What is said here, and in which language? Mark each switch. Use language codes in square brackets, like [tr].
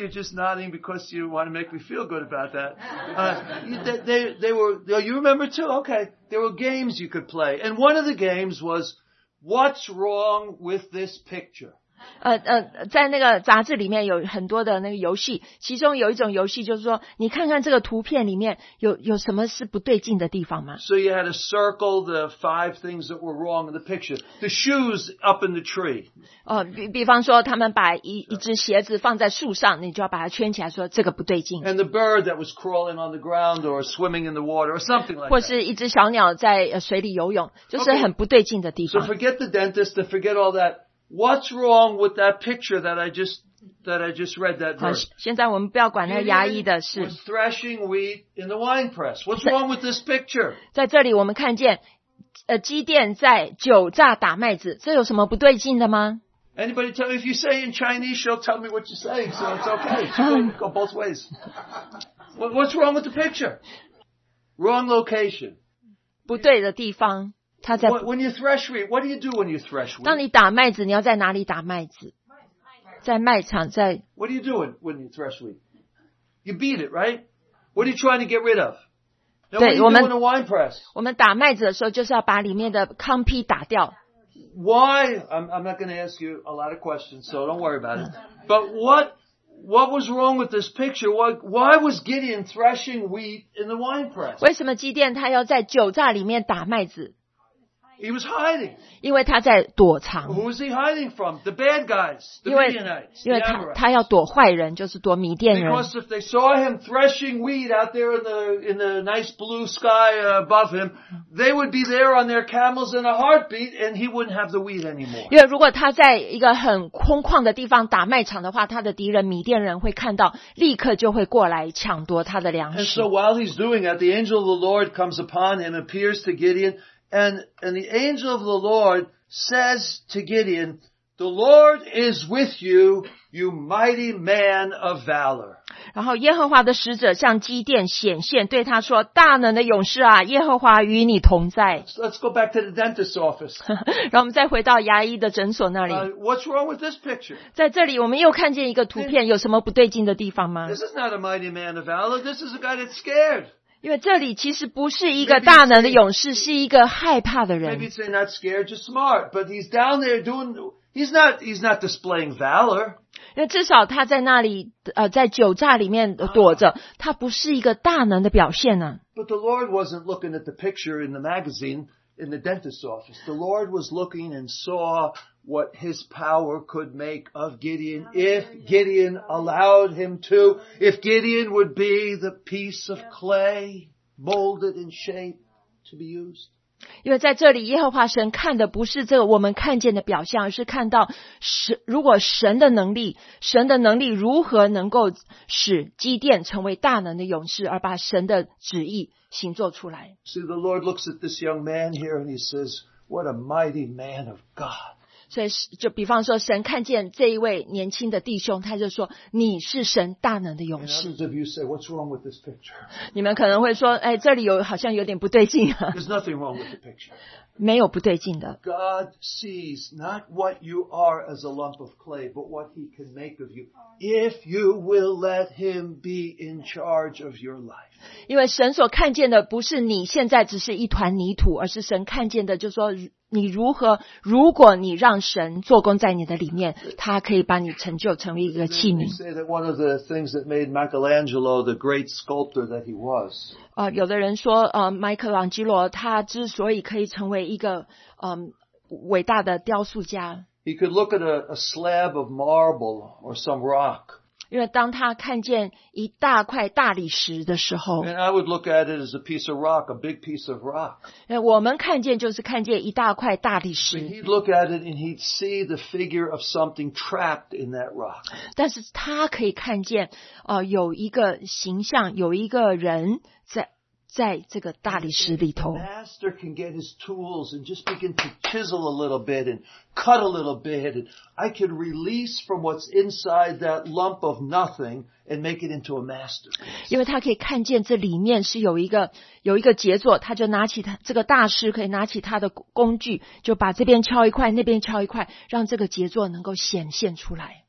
[en] You're just nodding because you want to make me feel good about that. they were, you remember too? Okay. There were games you could play. And one of the games was, what's wrong with this picture? [zh] 在那个杂志里面有很多的那个游戏，其中有一种游戏就是说，你看看这个图片里面有什么是不对劲的地方吗？ [en] So you had to circle the five things that were wrong in the picture. The shoes up in the tree. [zh] 比方说他们把一只鞋子放在树上，你就要把它圈起来说这个不对劲。 [en] And the bird that was crawling on the ground or swimming in the water or something like that. [zh] 或是一只小鸟在水里游泳，就是很不对劲的地方。 [en] Okay. So forget the dentist and forget all that. What's wrong with that picture that I just that I just read that verse. [zh] 现在我们不要管那个牙医的事。 [en] He was threshing wheat in the wine press. What's wrong with this picture? [zh] 在这里我们看见，基甸在酒榨打麦子，这有什么不对劲的吗？ [en] Anybody tell me if you say in Chinese, she'll tell me what you're saying, so it's okay. It's go both ways. What's wrong with the picture? Wrong location. [zh] 不对的地方。他在。 [en] When you thresh wheat, what do you do when you thresh wheat? [zh] 当你打麦子，你要在哪里打麦子？在麦场，在。 [en] What are you doing when you thresh wheat? You beat it, right? What are you trying to get rid of? Now, [zh] 对，我们。 [en] What are you doing in a wine press? [zh] 我们打麦子的时候，就是要把里面的糠皮打掉。 [en] Why? I'm not going to ask you a lot of questions, so don't worry about it. But what was wrong with this picture? Why was Gideon threshing wheat in the wine press? [zh] 为什么基甸他要在酒榨里面打麦子？ [en] He was hiding. [zh] 因为他在躲藏。 [en] Who was he hiding from? The bad guys, the Midianites, the Amorites. [zh] 因为他要躲坏人，就是躲米甸人。 [en] Because if they saw him threshing wheat out there in the nice blue sky above him, they would be there on their camels in a heartbeat, and he wouldn't have the wheat anymore. [zh] 因为如果他在一个很空旷的地方打麦场的话，他的敌人米甸人会看到，立刻就会过来抢夺他的粮食。 [en] And so while he's doing that, the angel of the Lord comes upon him, appears to Gideon. And the angel of the Lord says to Gideon, "The Lord is with you, you mighty man of valor." [zh] 然后耶和华的使者向基甸显现，对他说：“大能的勇士啊，耶和华与你同在。” [en] Let's go back to the dentist's office. [zh] 然后我们再回到牙医的诊所那里。 [en] What's wrong with this picture? [zh] 在这里我们又看见一个图片，有什么不对劲的地方吗？ [en] This is not a mighty man of valor. This is a guy that's scared. [zh] 因为这里其实不是一个大能的勇士，是一个害怕的人。 [en] Maybe he's not scared, just smart. But he's down there doing. He's not displaying valor. [zh] 因为至少他在那里，在酒榨里面躲着，他不是一个大能的表现呢。 [en] But the Lord wasn't looking at the picture in the magazine in the dentist's office. The Lord was looking and saw what his power could make of Gideon if Gideon allowed him to, if Gideon would be the piece of clay molded and shaped to be used. [zh] 因为在这里耶和华神看的不是这个我们看见的表象，而是看到如果神的能力如何能够使基甸成为大能的勇士，而把神的旨意行作出来。 [en] See, the Lord looks at this young man here and he says, what a mighty man of God. [zh] 所以就比方说神看见这一位年轻的弟兄，他就说你是神大能的勇士。 [en] And others of you say, what's wrong with this picture? [zh] 你们可能会说，哎，这里有好像有点不对劲啊。 [en] There's nothing wrong with the picture. [zh] 没有不对劲的。 [en] God sees not what you are as a lump of clay, but what he can make of you if you will let him be in charge of your life. [zh] 因为神所看见的不是你现在只是一团泥土，而是神看见的就是说你如何，如果你让神做工在你的里面，他可以把你成就成为一个器皿。 [en] Say that one of the things that made Michelangelo the great sculptor that he was. [zh] 有的人说，迈克朗基罗他之所以可以成为一个伟大的雕塑家。 [en] He could look at a slab of marble or some rock. [zh] 因为当他看见一大块大理石的时候。 [en] And I would look at it as a piece of rock, a big piece of rock. [zh] 我们看见就是看见一大块大理石。 [en] But he'd look at it and he'd see the figure of something trapped in that rock. [zh] 但是他可以看见，有一个形象，有一个人在这个大理石里头。 [en] The master can get his tools and just begin to chisel a little bit and cut a little bit. And I can release from what's inside that lump of nothing and make it into a masterpiece. [zh] 因为他可以看见这里面是有一个杰作，他就拿起他这个大师可以拿起他的工具，就把这边敲一块，那边敲一块，让这个杰作能够显现出来。